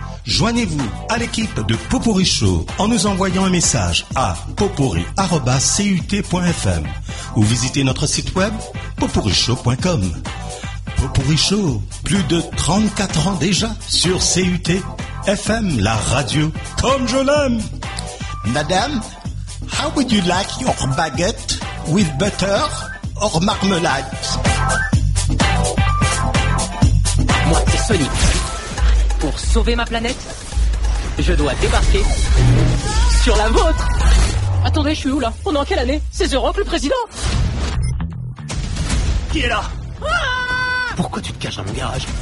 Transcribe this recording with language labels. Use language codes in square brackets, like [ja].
[fr] Joignez-vous à l'équipe de Popourri Show en nous envoyant un message à popourri@cut.fm ou visitez notre site web popourrishow.com. Popourri Show, plus de 34 ans déjà sur CUT FM, la radio comme je l'aime. [en] Madame, how would you like your baguette with butter or marmalade? [fr] Moi, c'est Sonic. Pour sauver ma planète, je dois débarquer sur la vôtre. Attendez, je suis où là? On est en quelle année? C'est Zéro, le président. Qui est là? Pourquoi tu te caches dans mon garage?